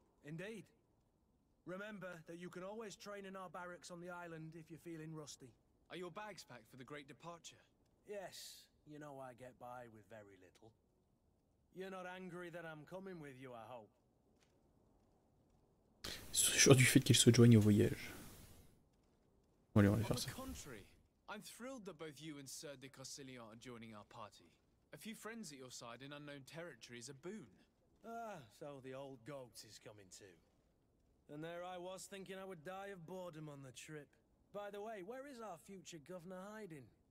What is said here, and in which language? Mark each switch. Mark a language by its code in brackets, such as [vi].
[en] Indeed. Remember that you can always train in our barracks on the island if you're feeling rusty. Are your bags packed for the great departure? Yes. You know I get by with very little. You're not angry that I'm coming with you, I hope. [fr] Sûr du fait qu'il se joigne au voyage. Allez, on va faire ça. [en] On the contrary, I'm thrilled that both you and Sir de Corsillon are joining our party. A few friends at your side in unknown territory is a boon. Ah, so the old goat is coming too. And there I was thinking I would die of boredom on the trip. By the way, where is our future governor hiding?